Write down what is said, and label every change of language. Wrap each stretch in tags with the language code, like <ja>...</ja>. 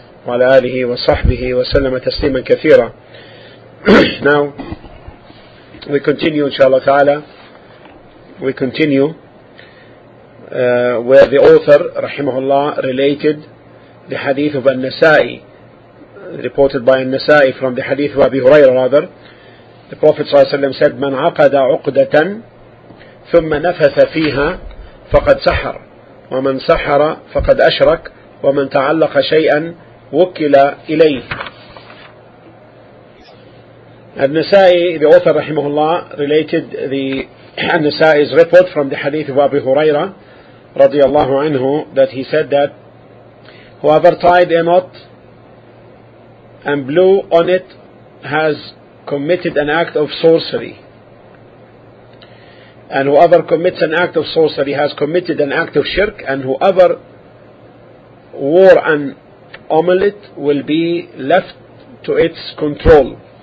<en>Wa ala alihi wa sahbihi wa sallama tasliman kathira. Now, we continue inshallah ta'ala. We continue where the author, rahimahullah, related the hadith of An-Nasa'i, reported by An-Nasa'i from the hadith of Abi Hurairah rather. The Prophet ﷺ said,</en> <ar>من عقد عقدة ثم نفث فيها فقد سحر ومن سحر فقد أشرك ومن تعلق شيئا وكل إليه.</ar> <en>An-Nasa'i, the author rahimahullah, related the An-Nasa'i's report from the hadith of Abu Huraira radiallahu anhu, that he said that whoever tied a knot and blew on it has committed an act of sorcery, and whoever commits an act of sorcery has committed an act of shirk, and whoever wore an amulet will be left to its control.</en>